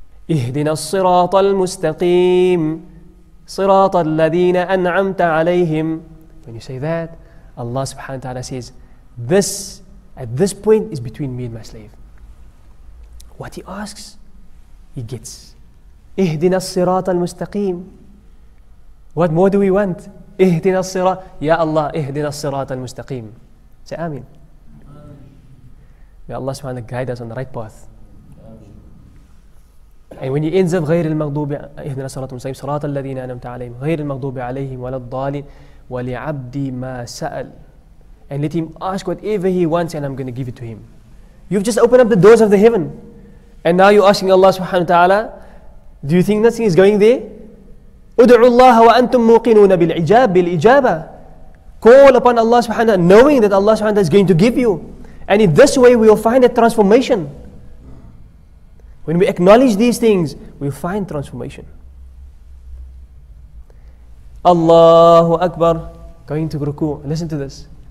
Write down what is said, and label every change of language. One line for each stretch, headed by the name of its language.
Arabic: Ihdina الصراط المستقيم صراط الذين أنعمت عليهم.
English: When you say that, Allah subhanahu wa ta'ala says, this at this point is between me and my slave. What he asks, he gets.
Arabic: اهدنا الصراط المستقيم.
English: What more do we want?
Arabic: اهدنا الصراط. Ya Allah, اهدنا الصراط المستقيم.
English: Say Amin. May Allah subhanahu wa ta'ala guide us on the right path. And when he ends up,
Arabic: غير المغضوب اهدنا الصراط المستقيم صراط الذين أنعمت عليهم غير المغضوب عليهم ولا الضالين ولعبدي ما سأل.
English: And let him ask whatever he wants and I'm going to give it to him. You've just opened up the doors of the heaven. And now you're asking Allah subhanahu wa ta'ala, do you think nothing is going there?
Arabic: ادعوا الله وأنتم موقنون بالعجاب بالإجابة.
English: Call upon Allah subhanahu wa ta'ala, knowing that Allah subhanahu wa ta'ala is going to give you. And in this way we will find a transformation. When we acknowledge these things, we will find transformation. Allahu Akbar. Going to ruku. Listen to this.